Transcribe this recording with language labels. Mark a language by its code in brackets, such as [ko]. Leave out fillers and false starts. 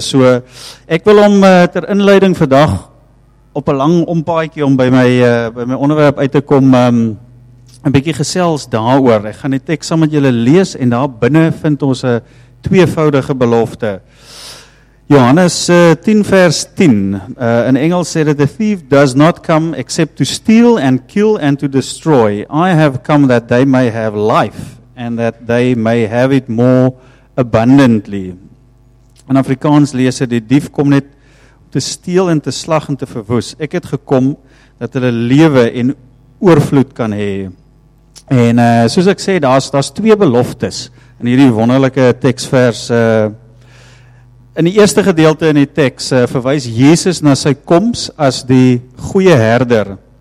[af] So ek wil hom ter inleiding vandag op 'n lang ompaadjie om by my onderwerp uit te kom, 'n bietjie gesels daaroor. Ek gaan die teks saam met julle lees en daar binne vind ons 'n tweevoudige belofte. Johannes 10 vers 10. [en] In Engels sê dit: "A thief does not come except to steal and kill and to destroy. I have come that they may have life and that they may have it more abundantly." [af] In Afrikaans lees dit: "Die dief kom net om te steel en te slag en te verwoes. Ek het gekom dat hulle lewe en oorvloed kan hê." En soos ek sê, daar's twee beloftes in hierdie wonderlike teksvers. In die eerste gedeelte in die teks verwys Jesus na sy koms as die goeie herder.